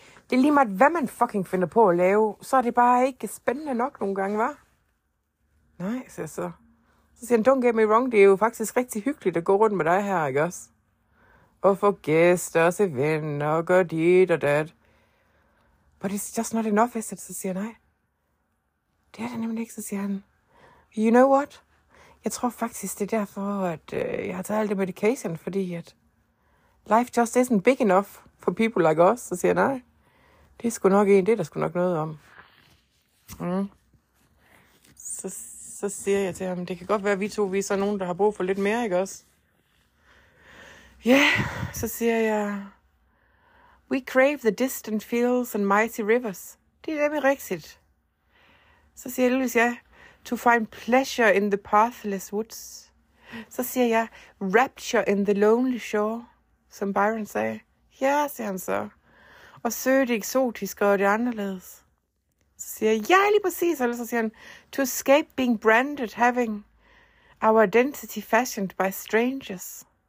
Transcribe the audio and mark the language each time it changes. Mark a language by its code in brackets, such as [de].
[da] Det er lige meget, hvad man fucking finder på at lave. Så er det bare ikke spændende nok nogle gange, hva'? Nej, siger så. Så siger han, [en] don't get me wrong, [da] det er jo faktisk rigtig hyggeligt at gå rundt med dig her, ikke også? Og få gæster og se venner og gøre dit og dat. [en] But it's just not enough, is it? [da] Så siger han, nej. Det er det nemlig ikke, så siger han. [en] You know what? [da] Jeg tror faktisk, det er derfor, at jeg har taget alt det medication, fordi at [en] life just isn't big enough for people like us. [da] Så siger han, nej. Det er sgu nok en, det er der sgu nok noget om. Så siger jeg til ham, det kan godt være, at vi to vi er så nogen, der har brug for lidt mere, ikke også? Ja, så siger jeg, [en] we crave the distant fields and mighty rivers. [da] Det er nemlig rigtigt. Så siger Louis, ja, [en] to find pleasure in the pathless woods. [da] Så siger jeg, [en] rapture in the lonely shore, [da] som Byron sagde. Ja, siger han så. Og søge det eksotiske og det anderledes. Så siger jeg, ja, lige præcis. Eller så siger han, [en] to escape being branded, having our identity fashioned by strangers.